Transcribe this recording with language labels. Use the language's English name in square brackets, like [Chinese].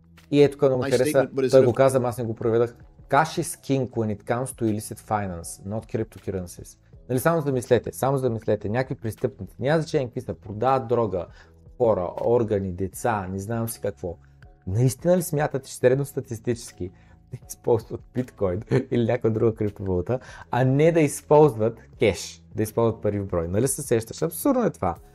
[Bulgarian] И ето къде му хареса, той го каза, аз не го проведах. [English] Cash is king when it comes to illicit finance, not cryptocurrencies. [Bulgarian] Нали, само замислете, някакви престъпници, няма значение какви са, продават дрога, хора, органи, деца, не знам си какво. Наистина ли смятате, че средно статистически да използват биткоин или някаква друга криптовалута, а не да използват кеш, да използват пари в брой? Нали се сещаш? Абсурдно е това.